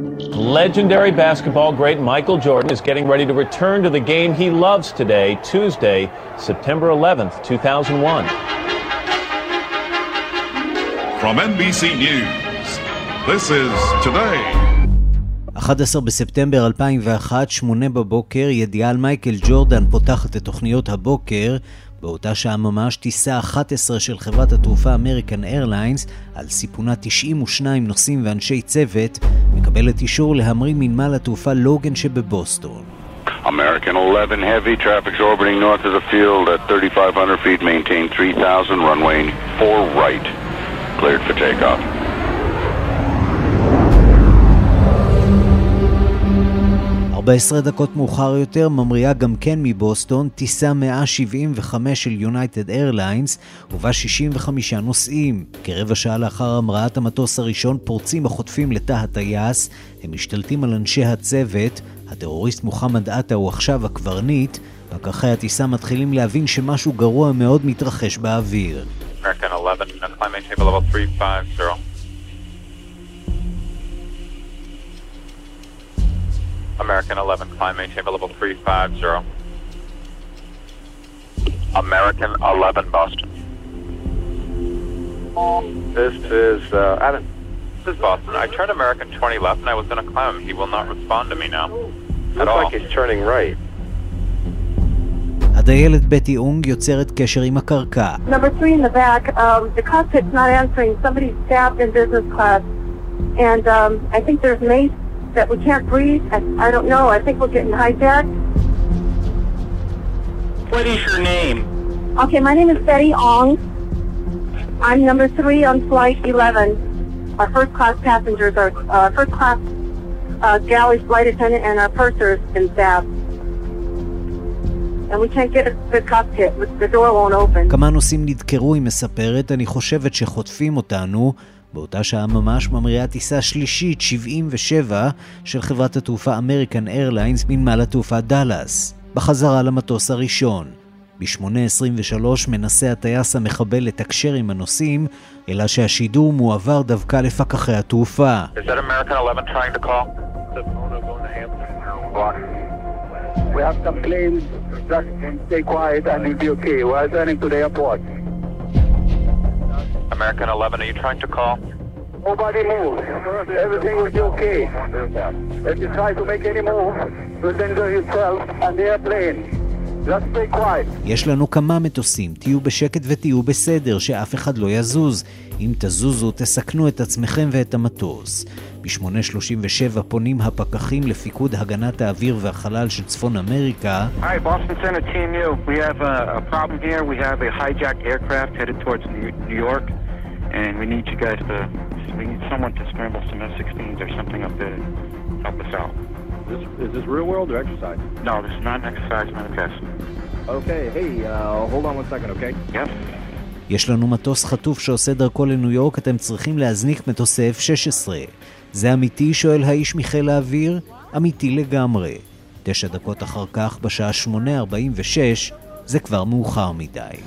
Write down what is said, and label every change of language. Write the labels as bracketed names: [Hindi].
[English] Legendary basketball great Michael Jordan is getting ready to return to the game he loves today, Tuesday, September 11th, 2001. From NBC News, this is Today. [Hebrew] 11 בספטמבר 2001, 8 בבוקר, ידיעה על מייקל ג'ורדן פותחת את תוכניות הבוקר. באותה שעה ממש, טיסה 11 של חברת התעופה אמריקן איירליינס, על סיפונה 92 נוסעים ואנשי צוות, מקבלת אישור להמריא מנמל התעופה לוגן שבבוסטון. [English] American 11 heavy, traffic's orbiting north of the field at 3,500 feet, maintain 3,000, runway 4 right, cleared for take-off. [Hebrew] ב-10 דקות מאוחר יותר ממריאה גם כן מבוסטון טיסה 175 של יונייטד איירליינס ובה 65 נוסעים. כרבע שעה לאחר המראת המטוס הראשון פורצים החוטפים לתא הטייס, הם משתלטים על אנשי הצוות, הטרוריסט מוחמד עטה הוא עכשיו הקברניט, פקחי הטיסה מתחילים להבין שמשהו גרוע מאוד מתרחש באוויר. [English] American 11, climbing table level 350. American 11, climb maintain level 350. American 11, Boston. This is Adam. This is Boston. I turned American 20 left and I was going to climb him. He will not respond to me now. Looks like he's turning right. [Hebrew] הדיילת בטי אונג יוצרת קשר עם הקרקע. [English] Number 3 in the back. The cockpit's not answering. Somebody's stabbed in business class. And I think there's mace. That we can't breathe. I don't know. I think we're getting hijacked. What is your name? Okay, my name is Betty Ong. I'm number 3 on flight 11. Our first class passengers are first class galley flight attendant and our purser's been stabbed. And we can't get a good cockpit. The door won't open. [Hebrew] כמה נוסעים נדקרו, היא מספרת. אני חושבת שחוטפים אותנו. באותה שעה ממש ממריאה טיסה שלישית 77 של חברת התעופה אמריקן איירליינס מנמל התעופה דאלאס בחזרה למטוס הראשון. ב-8:23 מנסה הטייס המחבל לתקשר עם הנוסעים, אלא שהשידור מועבר דווקא לפקחי התעופה. [English] Is that American 11 trying to call? The phone is going to answer. We have some planes. Just stay quiet and we'll be okay. We are turning to the airport. American 11, are you trying to call? Nobody move. Everything will be okay. If you try to make any move, you'll injure yourself and the airplane. Just stay quiet. [Hebrew] יש לנו כמה מטוסים. תהיו בשקט ותהיו בסדר, שאף אחד לא יזוז. אם תזוזו, תסכנו את עצמכם ואת המטוס. ב-8:37 פונים הפקחים לפיקוד הגנת האוויר והחלל של צפון אמריקה. [English] Hi, Boston Center, TMU. We have a problem here. We have a hijacked aircraft headed towards New York. And we need you guys to... We need someone to scramble some F-16s or something up there to help us out. Is this real world or exercise? No, this is not an exercise, not a test. Okay, hey, hold on one second, okay? Yes. [Hebrew] יש לנו מטוס חטוף שעושה דרכו לניו יורק, אתם צריכים להזניק מטוס F-16. זה אמיתי? שואל האיש מחיל האוויר. אמיתי לגמרי. 9 דקות אחר כך, בשעה 8:46, זה כבר מאוחר מדי.